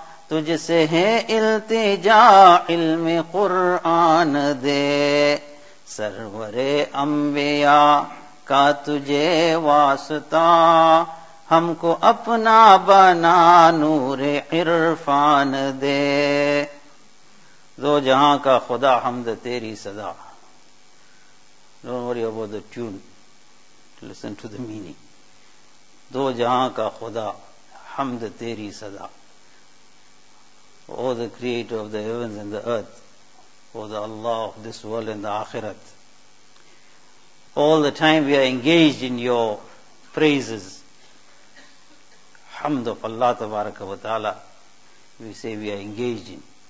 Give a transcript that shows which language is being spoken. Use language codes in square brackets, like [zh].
[ur] تجھ سے ہے التجا علم قرآن دے سرور انبیاء کا تجھے واسطہ ہم کو اپنا بنا نور عرفان دے دو جہاں کا خدا حمد تیری صدا. [en] Don't worry about the tune, listen to the meaning. [ur] دو جہاں کا خدا حمد تیری صدا. [en] O the creator of the heavens and the earth, O the Allah of this world and the Akhirat, all the time we are engaged in your praises. حمد of Allah تبارک و تعالی, we say we are engaged in.